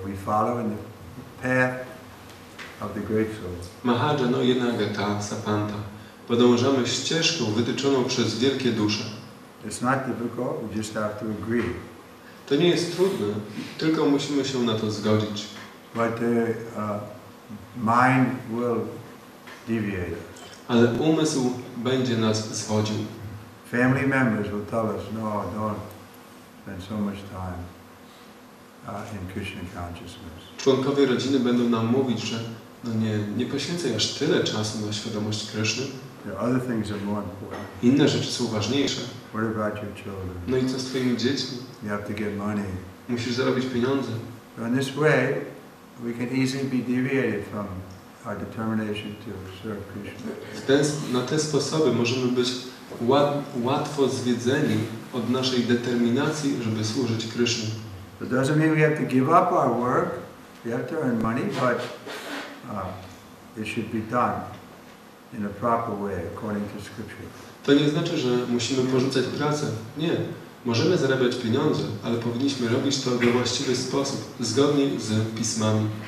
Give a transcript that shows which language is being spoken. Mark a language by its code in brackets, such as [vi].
[en] We follow in the path of the great soul. [sa] Mahajana, jena katasa panta. [pl] Podążamy ścieżką wytyczoną przez wielkie dusze. [en] It's not difficult, we just have to agree. [pl] To nie jest trudne, tylko musimy się na to zgodzić. [en] But the mind will deviate us. [pl] Ale umysł będzie nas zwodził. [en] Family members will tell us, no, don't spend so much time in Krishna consciousness. [pl] Członkowie rodziny będą nam mówić, że no nie poświęcaj aż tyle czasu na świadomość Krishny. [en] There are other things that are more important. [pl] Inne rzeczy są ważniejsze. [en] What about your children? [pl] No i co z twoimi dziećmi? [en] You have to get money. [pl] Musisz zarobić pieniądze. [en] In this way, we can easily be deviated from our determination to serve Krishna. [pl] Na te sposoby możemy być łatwo zwiedzeni od naszej determinacji, żeby służyć Krishna. [en] It doesn't mean we have to give up our work. We have to earn money, but it should be done in a proper way, according to scripture. [pl] To nie znaczy, że musimy porzucać pracę. Nie. Możemy zarabiać pieniądze, ale powinniśmy robić to we właściwy sposób, zgodnie z pismami.